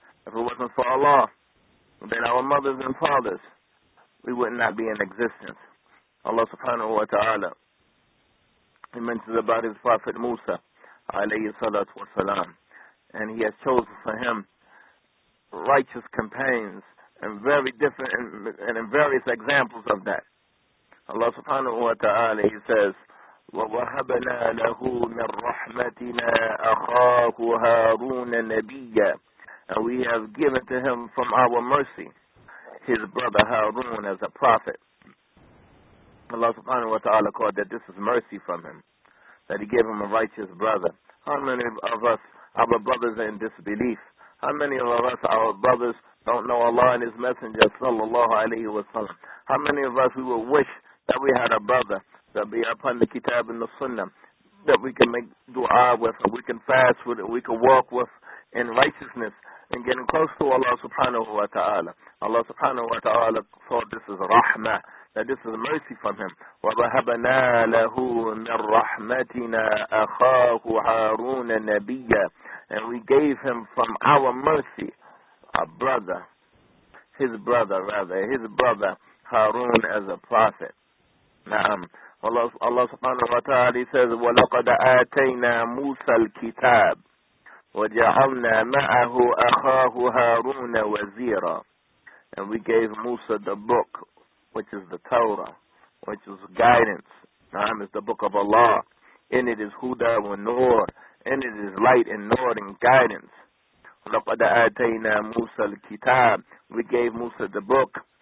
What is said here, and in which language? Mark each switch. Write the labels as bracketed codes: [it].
[en] If it wasn't for Allah, then our mothers and fathers, we would not be in existence. Allah subhanahu wa ta'ala, he mentions about his prophet Musa, alayhi salatu wa salam, and he has chosen for him righteous companions and very different and various examples of that. [ar] Allah subhanahu wa ta'ala, [en] he says, [ar] وَوَهَبْنَا لَهُ مِنْ رَحْمَتِنَا أَخَاهُ هَارُونَ نَبِيًّا. [en] And we have given to him from our mercy his brother Harun as a prophet. Allah subhanahu wa ta'ala called that this is mercy from him, that he gave him a righteous brother. How many of us, our brothers are in disbelief? How many of us, our brothers, don't know Allah and his messenger, sallallahu alayhi wa sallam? How many of us, we would wish that we had a brother that be upon the kitab and the sunnah, that we can make dua with, or we can fast with, or we can walk with in righteousness and getting close to Allah subhanahu wa ta'ala? Allah subhanahu wa ta'ala thought this is rahmah, that this is mercy from him. [ar] وَبَهَبَنَا لَهُ مِنْ رَحْمَتِنَا أَخَاهُ هَارُونَ نَبِيًّا. [en] And we gave him from our mercy a brother, his brother Harun as a prophet. [ar] Na'am. Allah subhanahu wa ta'ala [en] says, [ar] وَلَقَدْ آتَيْنَا مُوسَى الْكِتَابِ وَجَعَلْنَا مَعَهُ أَخَاهُ هَارُونَ وَزِيرًا. [en] And we gave Musa the book, which is the Torah, which is guidance. Na'am, is the book of Allah. In it is huda wa nur. In it is light and nur and guidance. [ar] وَلَقَدْ آتَيْنَا مُوسَى الْكِتَابِ. [en] We gave Musa the book.